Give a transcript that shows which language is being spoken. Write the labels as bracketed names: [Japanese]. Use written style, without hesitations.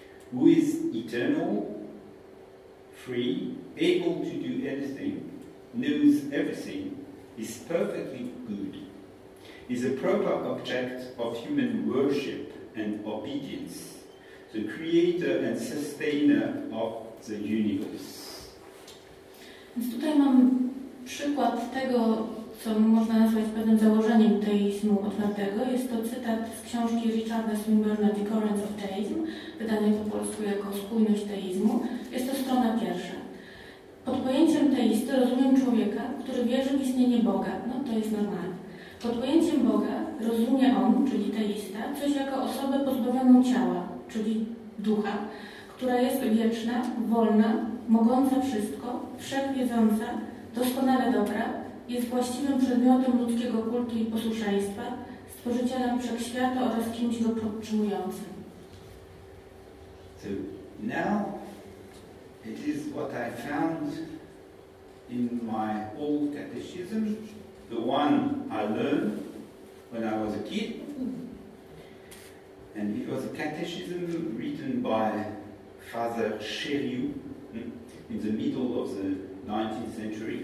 [English] who is eternal, free, able to do anything, knows everything, is perfectly good, is a proper object of human worship and obedience, the creator and sustainer of the universe. [Polish] Więc tutaj mam przykład tego, co można nazwać pewnym założeniem teizmu otwartego. Jest to cytat z książki Richarda Swinburna The Currents of Theism, wydanej po polsku jako Spójność teizmu. Jest to strona pierwsza. Pod pojęciem teisty rozumiem człowieka, który wierzy w istnienie Boga. No to jest normalne. Pod pojęciem Boga rozumie on, czyli teista, coś jako osobę pozbawioną ciała, czyli ducha, która jest wieczna, wolna, mogąca wszystko, wszechwiedząca, doskonale dobra, jest właściwym przedmiotem ludzkiego kultu i posłuszeństwa, stworzycielem wszechświata oraz kimś go podtrzymującym. [English] So now it is what I found in my old catechism, the one I learned when I was a kid. And it was a catechism written by Father Chériou in the middle of the 19th century.